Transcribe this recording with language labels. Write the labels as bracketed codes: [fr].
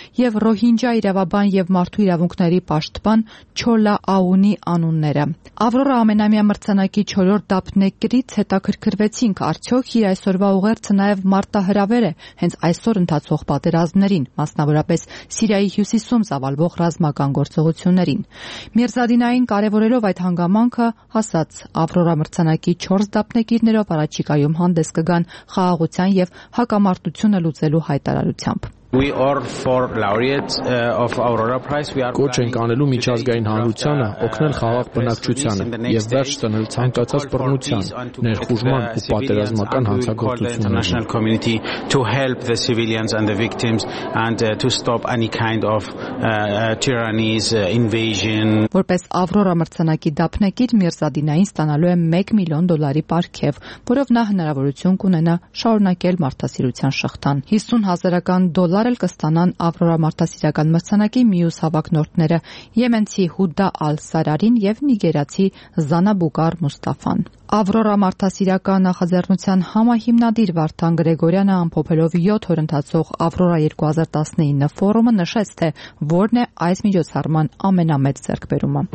[hy] և ռոհինջա իրավաբան և մարդու իրավունքների պաշտպան Չոլա Աունի անունները։ Ավրորա ամենամյա մրցանակի 4-րդ դափնեկրից հետաքրքրվեցինք, արդյոք իր այսօրվա ուղերձը նաև մարտահրավեր է հենց այսօր ընթացող պատերազմներին, մասնավորապես Սիրիայի հյուսիսում ծավալվող ռազմական գործողություններին։ Միրզա Դինային կարևորելով այդ հանգամանքը, ասաց. Ավրորա մրցանակի 4 դափնեկիրներով առաջիկայում հանդես կգան խաղաղության և հակամարտությունը լուծելու հայտարարությամբ։ [en] We are for laureates of Aurora Prize. We are [hy] Կոչ ենք անելու միջազգային հանրությանը օգնել խաղաղ բնակչությանը եւ վերջ տնել ցանկացած բռնության, ներխուժման ու պատերազմական հանցագործությունը. [en] National community to help the civilians and the victims and to stop any kind of tyrannies, invasion. [hy] Որպես Aurora մրցանակի դափնեկիր Միրզա Դինային ստանալու է 1 միլիոն դոլարի պարգև, որով նա հնարավորություն կունենա շարունակել մարդասիրության շղթան։ 50 հազարական դոլար առել կստանան Ավրորա մարդասիրական մրցանակի մյուս հավակնորդները՝ Եմենցի Հուդա Ալ-Սարարին և Նիգերացի Զանաբուկար Մուստաֆան։ Ավրորա մարդասիրական նախաձեռնության համահիմնադիր Վարդան Գրեգորյանը, ամփոփելով 7 օր ընթացող Ավրորա 2019 ֆորումը, նշեց, թե որն է այս միջոցառման ամենամեծ ձեռքբերումը։